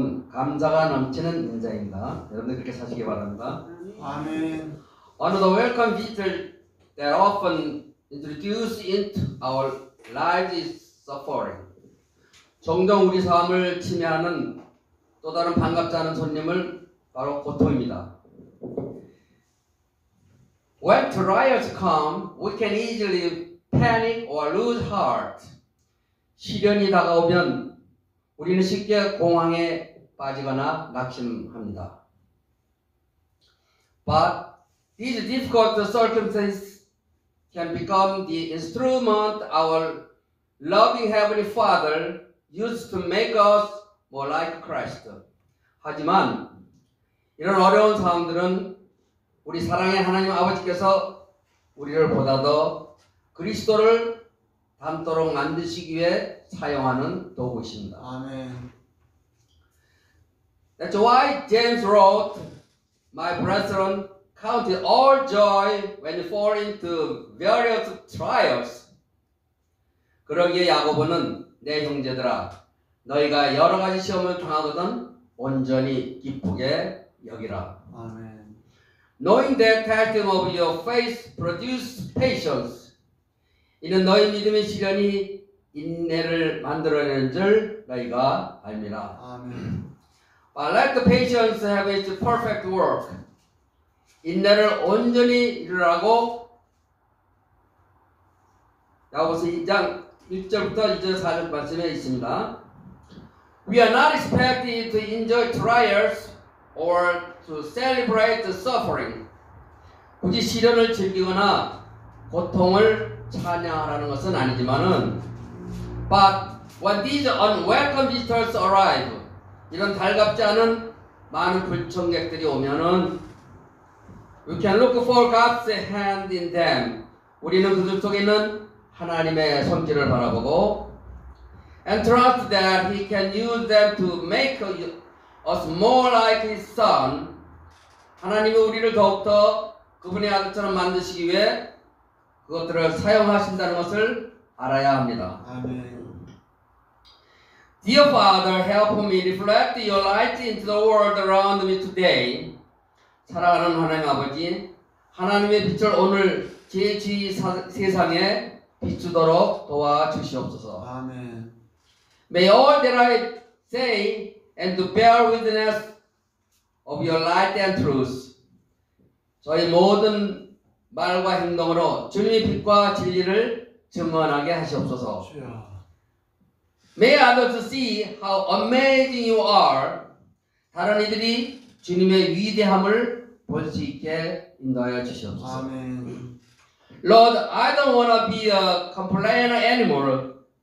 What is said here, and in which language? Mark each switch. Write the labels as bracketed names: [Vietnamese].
[Korean] 감사가 넘치는 인자입니다. 여러분들 그렇게 사시기 바랍니다. 아멘. [English] Another welcome visitor that often introduced into our lives is suffering. [Korean] 종종 우리 삶을 침해하는 또 다른 반갑지 않은 손님을 바로 고통입니다. [English] When trials come, we can easily panic or lose heart. [Korean] 시련이 다가오면 우리는 쉽게 공황에 빠지거나 낙심합니다. [English] But these difficult circumstances can become the instrument our loving Heavenly Father used to make us more like Christ. [Korean] 하지만 이런 어려운 상황들은 우리 사랑의 하나님 아버지께서 우리를 보다 더 그리스도를 닮도록 만드시기 위해 사용하는 도구이십니다. 아멘. [English] That's why James wrote, My brethren, count it all joy when you fall into various trials. [Korean] 그러기에 야고보는 내 형제들아, 너희가 여러 가지 시험을 당하거든 온전히 기쁘게 여기라. [English] Amen. Knowing that testing of your faith produces patience, [Korean] 이는 너희 믿음의 시련이 인내를 만들어내는 줄 너희가 압니다. [English] Amen. Let the patience have its perfect work. [Korean] 인내를 온전히 이루라고 야고보서 2장 1절부터 2절 4절 말씀에 있습니다. [English] We are not expected to enjoy trials or to celebrate the suffering. [Korean] 굳이 시련을 즐기거나 고통을 찬양하라는 것은 아니지만은 [English] But when these unwelcome visitors arrive, [Korean] 이런 달갑지 않은 많은 불청객들이 오면은 [English] We can look for God's hand in them. [Korean] 우리는 그들 속에 있는 하나님의 손길을 바라보고 [English] And trust that He can use them to make us more like His Son. [Korean] 하나님이 우리를 더욱더 그분의 아들처럼 만드시기 위해 그것들을 사용하신다는 것을 알아야 합니다. 아멘. [English] Dear Father, help me reflect your light into the world around me today. [Korean] 사랑하는 하나님 아버지, 하나님의 빛을 오늘 제 주위 세상에 비추도록 도와주시옵소서. 아멘. [English] May all that I say and to bear witness of your light and truth. [Korean] 저희 모든 말과 행동으로 주님의 빛과 진리를 증언하게 하시옵소서. 주여. [English] May others see how amazing you are. [Korean] 다른 이들이 주님의 위대함을 볼 수 있게 인도하여 주시옵소서. 아멘. [English] Lord, I don't want to be a complainer anymore.